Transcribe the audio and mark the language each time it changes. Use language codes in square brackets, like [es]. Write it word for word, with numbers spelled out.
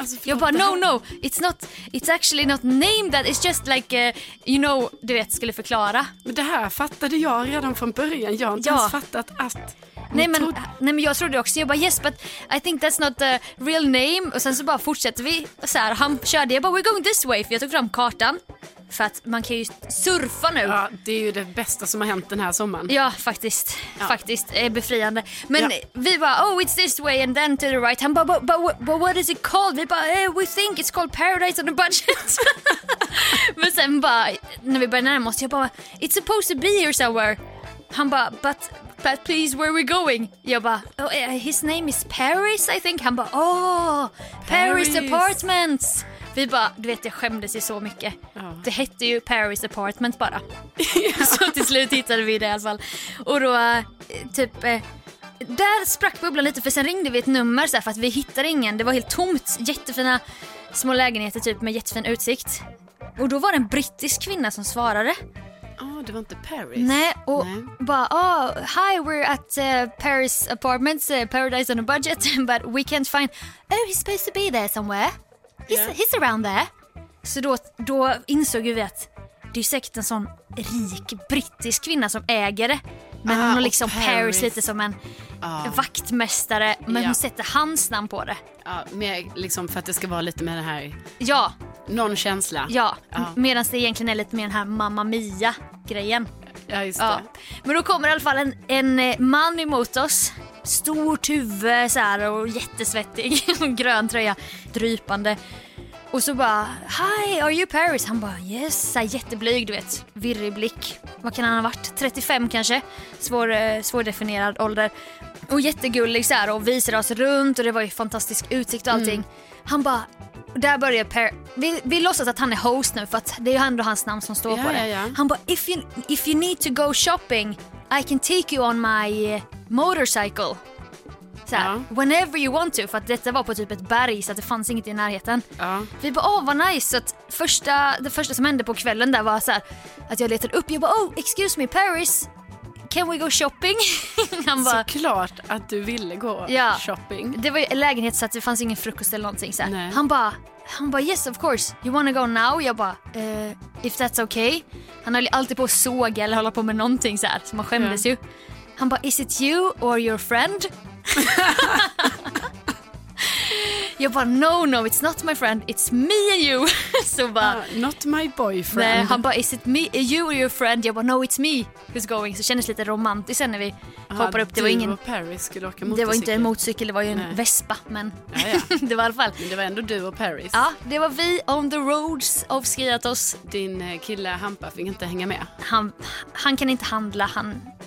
[sv] Alltså, jag bara [en] no no, it's not, it's actually not named that, it's just like uh, you know, [sv] du vet, skulle förklara. Men det här fattade jag redan från början. Jag har inte ja. ens fattat att nej men, trodde... nej men jag trodde också, jag bara [en] yes but I think that's not the real name. [sv] Och sen så bara fortsätter vi så här, han körde, jag bara [en] we're going this way, [sv] för jag tog fram kartan. För att man kan ju surfa nu. Ja, det är ju det bästa som har hänt den här sommaren. Ja, faktiskt. Ja. Faktiskt, är befriande. Men ja. vi bara, [en] oh it's this way and then to the right. [sv] Han bara, [en] but, but, but what is it called? [sv] Vi bara, eh, [en] we think it's called Paradise on a budget. [sv] Men sen bara, när vi började närma oss, jag bara, [en] it's supposed to be here somewhere. [sv] Han bara, [en] but, but please, where are we going? [sv] Jag bara, [en] oh, his name is Paris, I think. [sv] Han bara, oh, Paris, Paris Apartments. Vi bara, du vet jag skämdes ju så mycket. Ja. Det hette ju Paris Apartment bara. Ja. Så till slut hittade vi det i alla fall. Och då typ, där sprack bubblan lite, för sen ringde vi ett nummer så här, för att vi hittade ingen. Det var helt tomt, jättefina små lägenheter typ med jättefin utsikt. Och då var det en brittisk kvinna som svarade. Ja, oh, det var inte Paris. Nej, och Nej. [en] bara, oh, hi, we're at uh, Paris Apartments, uh, Paradise on a budget, but we can't find, oh, he's supposed to be there somewhere. He's, yeah. he's around there. [sv] Så då, då insåg vi att det är säkert en sån rik brittisk kvinna som äger det. Men ah, hon har liksom Paris. Paris lite som en ah. vaktmästare. Men yeah. hon sätter hans namn på det. Ja, mer liksom för att det ska vara lite med den här... Ja. Någon känsla. Ja, ah. medan det egentligen är lite mer den här Mamma Mia-grejen. Ja, just det. Ja. Men då kommer i alla fall en, en man emot oss. Stort huvud så här, och jättesvettig. Grön tröja, drypande. Och så bara, [en] hi, are you Paris? [sv] Han bara, yes, så här, jätteblyg, du vet. Virrig blick. Vad kan han ha varit? trettiofem kanske. Svår, svårdefinierad ålder. Och jättegullig så här, och visade oss runt. Och det var ju fantastisk utsikt och allting. Mm. Han bara, där börjar Per... Vi, vi låtsas att han är host nu, för att det är ju ändå hans namn som står ja, på det. Ja, ja. [en] Han bara, if you, if you need to go shopping, I can take you on my motorcycle. [sv] Så här, ja. [en] whenever you want to. [sv] För att detta var på typ ett berg, så att det fanns inget i närheten. Ja. Vi bara, åh, oh, vad nice. Så att första, det första som hände på kvällen där var så här, att jag letade upp. Jag bara, [en] oh, excuse me, Paris, can we go shopping? [sv] Han bara, såklart att du ville gå ja. [en] shopping. [sv] Det var ju lägenhet så att det fanns ingen frukost eller någonting. Så här. Han bara, han bara, [en] yes of course, you wanna go now? [sv] Jag bara, uh, [en] if that's okay. [sv] Han höll alltid på att såga eller hålla på med någonting så här, så man skämdes mm. ju. Han bara, [en] is it you or your friend? [sv] Jag bara, [en] no, no, it's not my friend, it's me and you. [sv] Så bara, uh, [en] not my boyfriend. [sv] Nej, han bara, [en] is it me, you or your friend? [sv] Jag bara, [en] no, it's me who's going. [sv] Så kändes lite romantiskt sen när vi uh, hoppade upp. Det var ingen, Paris skulle åka det var inte en motorcykel, det var ju en Nej. vespa. Men ja, ja. det var i alla fall, men det var ändå du och Paris. Ja, det var vi [en] on the roads of Skiathos. [sv] Din kille Hampa fick inte hänga med. Han, han kan inte handla, han...